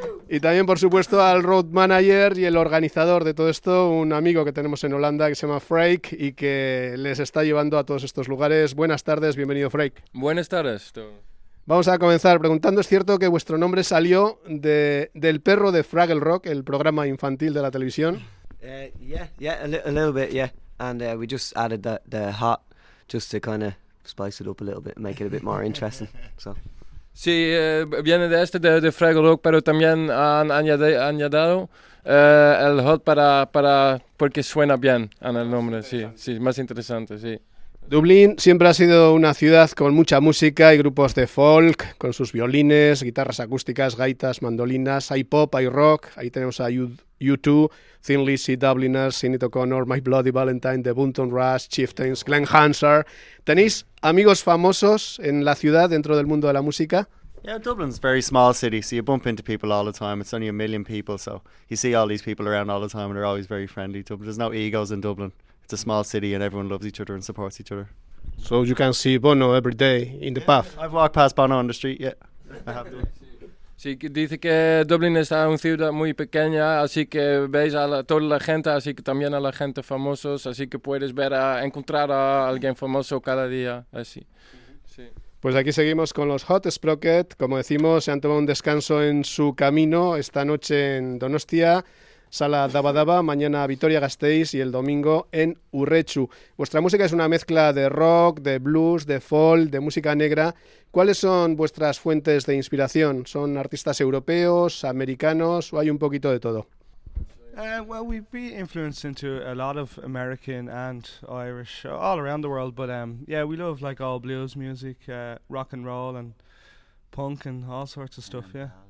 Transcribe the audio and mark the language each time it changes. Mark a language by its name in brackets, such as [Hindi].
[Spanish] Y también, por supuesto, al road manager y el organizador de todo esto, un amigo que tenemos en Holanda que se llama Freik y que les está llevando a todos estos lugares. Buenas tardes, bienvenido, Freik. Buenas tardes. Vamos a comenzar preguntando, ¿es cierto que vuestro nombre salió del perro de Fraggle Rock, el programa infantil de la televisión? [English] Yeah, a little bit, yeah. And we just added the hot just to kind of spice it up a little bit, make it a bit more interesting. So. [Spanish] Sí, viene de este, de Fraggle Rock, pero también han añadido el hot para porque suena bien en el nombre, sí, más interesante, sí. Dublín siempre ha sido una ciudad con mucha música y grupos de folk, con sus violines, guitarras acústicas, gaitas, mandolinas, hay pop, hay rock, ahí tenemos a U2, Thin Lizzy, Dubliners, Sinéad O'Connor, My Bloody Valentine, The Bunton Rush, Chieftains, Glen Hansard. ¿Tenéis amigos famosos en la ciudad dentro del mundo de la música? [English] Yeah, Dublin's a very small city, so you bump into people all the time. It's only a million people, so you see all these people around all the time and they're always very friendly. There's no egos in Dublin. It's a small city and everyone loves each other and supports each other. So you can see Bono every day in the path. I've walked past Bono on the street, yeah. [Spanish] Sí, dice que Dublín es una ciudad muy pequeña, así que veis a toda la gente, así que también a la gente famosos, así que puedes ver a encontrar a alguien famoso cada día, así. Sí. Pues aquí seguimos con los Hot Sprocket. Como decimos, se han tomado un descanso en su camino esta noche en Donostia. Sala Dabadaba, mañana Vitoria-Gasteiz y el domingo en Urretxu. Vuestra música es una mezcla de rock, de blues, de folk, de música negra. ¿Cuáles son vuestras fuentes de inspiración? ¿Son artistas europeos, americanos o hay un poquito de todo? [English] Well, we've been influenced into a lot of American and Irish all around the world, but yeah, we love like all blues music, rock and roll and punk and all sorts of stuff, yeah.